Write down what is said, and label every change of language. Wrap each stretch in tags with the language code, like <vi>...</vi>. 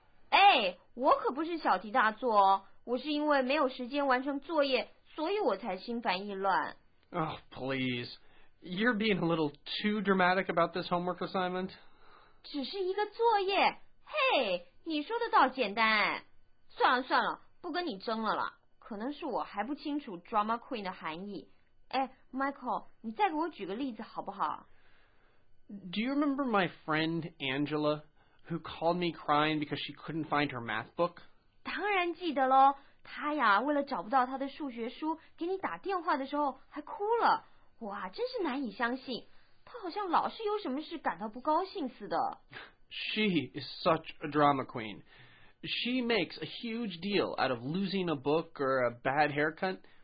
<zh>哎，我可不是小题大做哦，我是因为没有时间完成作业，所以我才心烦意乱。</zh> <en>Oh, please. You're being a little too dramatic about this homework assignment.</en> <zh>只是一个作业。Hey, 你说的倒简单。算了算了，不跟你争了啦。可能是我还不清楚 drama queen 的含义。哎 ,Michael, 你再给我举个例子好不好</zh> <en>?Do you remember my friend Angela, who called me crying because she couldn't find her math book?</en> <zh>当然记得咯，她呀，为了找不到她的数学书，给你打电话的时候还哭了。哇，真是难以相信，她好像老是有什么事感到不高兴似的。</zh> <en>She is such a drama queen. She makes a huge deal out of losing a book or a bad haircut.</en>